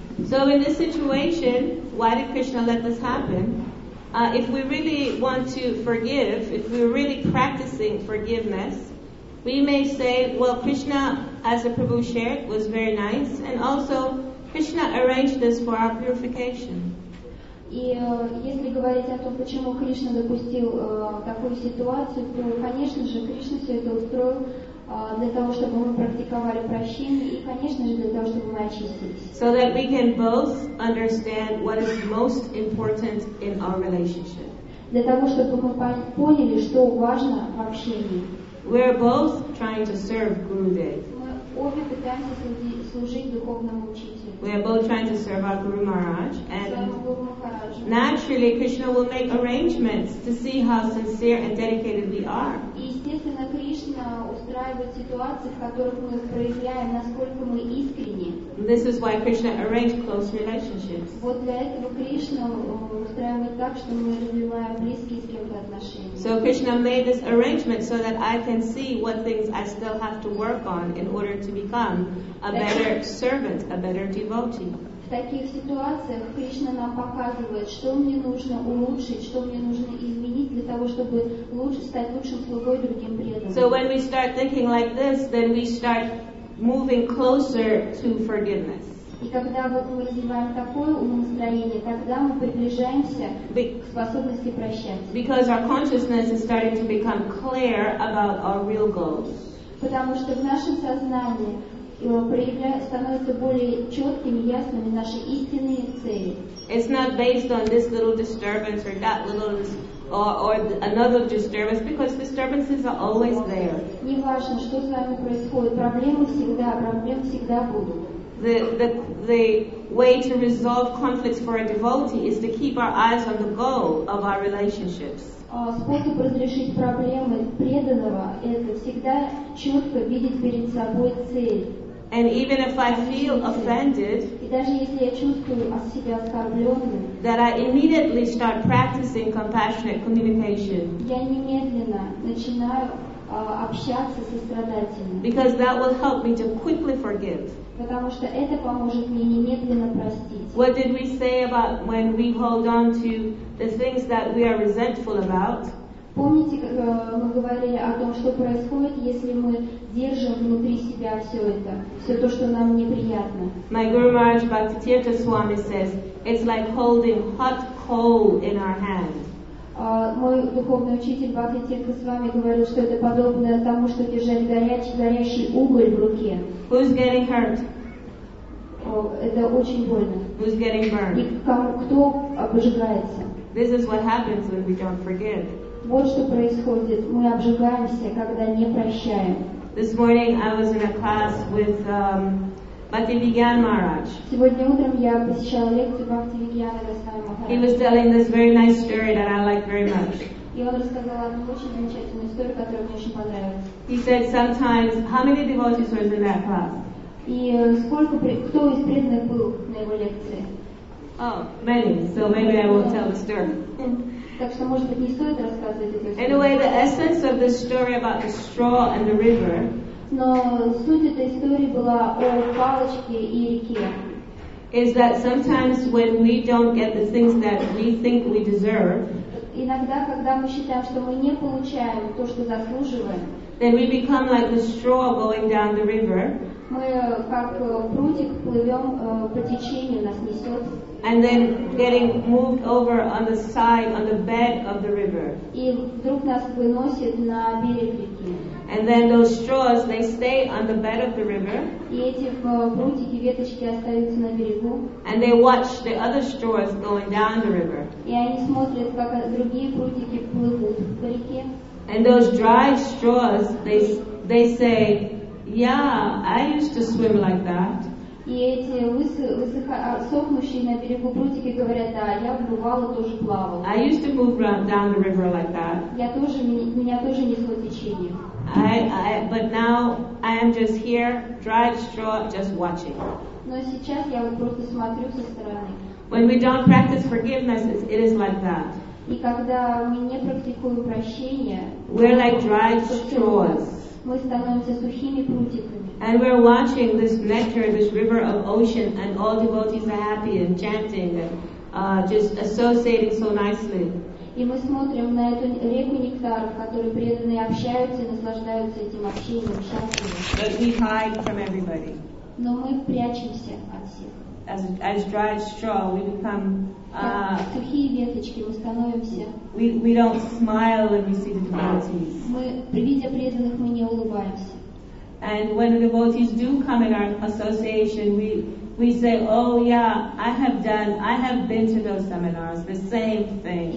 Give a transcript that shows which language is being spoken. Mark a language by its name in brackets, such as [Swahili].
[English] So in this situation, why did Krishna let this happen? If we really want to forgive, if we're really practicing forgiveness, we may say, well, Krishna, as the Prabhu shared, was very nice, and also Krishna arranged this for our purification. [Russian] И если говорить о том, почему Кришна допустил такую ситуацию, то, конечно же, Кришна все это устроил для того, чтобы мы практиковали прощение, и, конечно же, для того, чтобы мы очистились. [English] So that we can both understand what is most important in our relationship. [Russian] Для того, чтобы мы поняли, что важно в общении. [English] We are both trying to serve Gurudev. [Russian] Обе пытаемся служить духовному учителю. [English] We are both trying to serve our Guru Maharaj, and naturally Krishna will make arrangements to see how sincere and dedicated we are. [Russian] И естественно Кришна устраивает ситуации, в которых мы проявляем, насколько мы искренни. [English] This is why Krishna arranged close relationships. [Russian] Вот для этого Кришна устраивает так, что мы развиваем близкие с кем-то отношения. [English] So Krishna made this arrangement so that I can see what things I still have to work on in order to become a better servant, a better devotee. [Russian] В таких ситуациях Кришна нам показывает, что мне нужно улучшить, что мне нужно изменить для того, чтобы лучше стать лучшим слугой другим преданным. [English] So when we start thinking like this, then we start moving closer to forgiveness. [Russian] И когда вот мы развиваем такое умонастроение, тогда мы приближаемся к способности прощать. [English] Because our consciousness is starting to become clear about our real goals. [Russian] Потому что в нашем сознании становятся более четкими, ясными наши истинные цели. [English] It's not based on this little disturbance or that little or another disturbance, because disturbances are always there. [Russian] Не важно, что с вами происходит, проблемы всегда будут. [English] The way to resolve conflicts for a devotee is to keep our eyes on the goal of our relationships. [Russian] Способ разрешить проблемы преданного – это всегда четко видеть перед собой цель. [English] And even if I feel offended, [Russian] и даже если я чувствую себя оскорбленным, [English] that I immediately start practicing compassionate communication. [Russian] Я немедленно начинаю общаться со страдателем. [English] Because that will help me to quickly forgive. [Russian] Потому что это поможет мне немедленно простить. [English] What did we say about when we hold on to the things that we are resentful about? [Russian] Помните, как мы говорили о том, что происходит, если мы держим внутри себя все это, все то, что нам неприятно? [English] My Guru Maharaj Bhaktivedanta Swami says, it's like holding hot coal in our hand. [Russian] Мой духовный учитель Бхактивинода Свами говорил, что это подобно тому, что держать горящий уголь в руке. [English] Who's getting hurt? [Russian] Это очень больно. [English] Who's getting burned? [Russian] И кто обжигается? [English] This is what happens when we don't forgive. [Russian] Вот что происходит. Мы обжигаемся, когда не прощаем. [English] This morning I was in a class with Bhaktivedanta Maharaj. [Russian] Сегодня утром я посещала лекцию Бхактивиньяна Госвами Махараджа. [English] He was telling this very nice story that I like very much. [Russian] И он рассказал одну очень замечательную историю, которая мне очень понравилась. [English] He said sometimes, how many devotees were in that class? [Russian] И сколько кто из преданных был на его лекции? [English] Oh, many. So maybe I won't tell the story. [Russian] Так что, может быть, не стоит рассказывать эту историю. [English] In a way, the essence of the story about the straw and the river. [Russian] Но суть этой истории была о палочке и реке. [English] Is that sometimes when we don't get the things that we think we deserve? [Russian] Иногда, когда мы считаем, что мы не получаем то, что заслуживаем. [English] Then we become like the straw going down the river. [Russian] Мы как прутик плывем по течению, нас несет. [English] And then getting moved over on the side, on the bed of the river. [Russian] И вдруг нас выносит на берег реки. [English] And then those straws, they stay on the bed of the river. [Russian] И эти прутики, веточки остаются на берегу. [English] And they watch the other straws going down the river. [Russian] И они смотрят, как другие прутики плывут по реке. [English] And those dry straws, they say, yeah, I used to swim like that. [Russian] И эти высохнущие на берегу прутики говорят, да, я бывало тоже плавал. [English] I used to move down the river like that. [Russian] Я тоже, меня тоже несло течение. [English] But now I am just here, dry straw, just watching. [Russian] Но сейчас я вот просто смотрю со стороны. [English] When we don't practice forgiveness, it is like that. [Russian] И когда мы не практикуем прощение, [English] we're like dried straws. [Russian] Мы становимся сухими прутиками. [English] And we're watching this nectar, this river of ocean, and all devotees are happy and chanting and just associating so nicely. [Russian] И мы смотрим на эту реку нектаров, которые преданные общаются и наслаждаются этим общением, счастливы. [English] But we hide from everybody. [Russian] Но мы прячемся от всех. [English] As dried straw, we become. [Russian] Сухие веточки, мы становимся. [English] We don't smile when we see the devotees. [Russian] Мы, видя преданных, мы не улыбаемся. [English] And when the devotees do come in our association, we say, oh yeah, I have been to those seminars, the same thing.